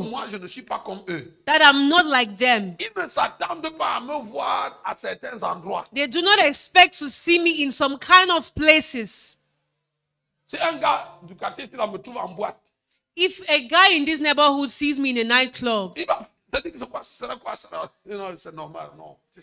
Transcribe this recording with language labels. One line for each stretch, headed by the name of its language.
French: que moi, je ne suis pas comme eux.
English: That I'm not like them.
French: Ils ne s'attendent pas à me voir à certains endroits.
English: They do not expect to see me in some kind of places.
French: C'est un gars du quartier qui me trouve en boîte.
English: If a guy in this neighborhood sees me in a nightclub, he's not going to say, oh, it's a normal thing.